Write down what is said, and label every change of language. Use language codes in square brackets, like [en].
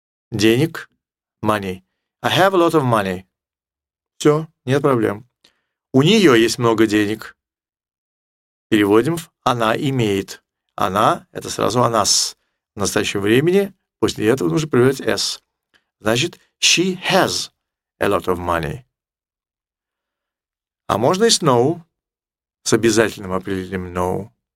[ru] Денег, money. [en] I have a lot of money. [ru] Все, нет проблем. У нее есть много денег. Переводим в «она имеет». «Она» — это сразу «онас». В настоящем времени после этого нужно прибавить «s». Значит, [en] she has a lot of money. [ru] А можно и с «no», с обязательным определением «no».